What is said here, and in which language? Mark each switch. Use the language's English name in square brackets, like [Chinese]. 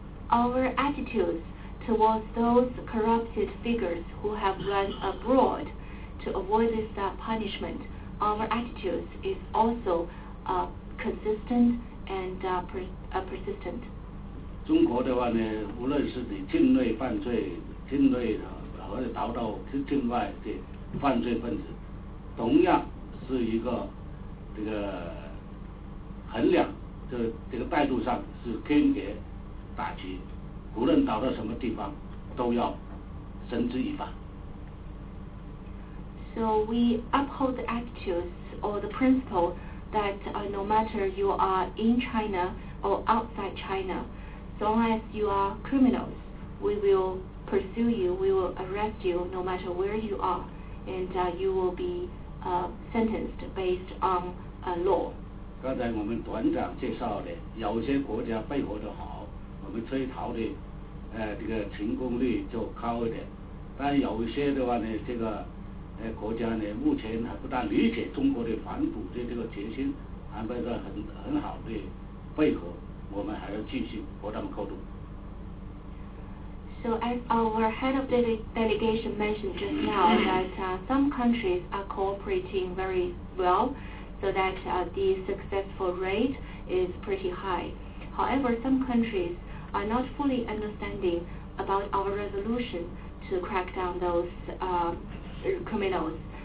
[English] Our attitudes towards those corrupted figures who have run abroad to avoid this punishment, our attitudes is also consistent and persistent. [Chinese] 中国的话呢，无论是你境内犯罪、境内的或者逃到境外的犯罪分子，同样是一个这个衡量，这个态度上是坚决打击，无论到了什么地方都要绳之以法。 [English] So we uphold the attitudes or the principle that no matter you are in China or outside China, so long as you are criminals, we will pursue you, we will arrest you no matter where you are, and you will beSentenced based on law. [Chinese] 刚才我们团长介绍的，有些国家配合得好，我们追逃的，这个成功率就高一点。但有些的话呢，这个国家呢，目前还不大理解中国的反腐的这个决心，还没有很好的配合，我们还要继续和他们沟通。 [English] So as our head of delegation mentioned just now, that some countries are cooperating very well, so that the successful rate is pretty high. However, some countries are not fully understanding about our resolution to crack down those criminals.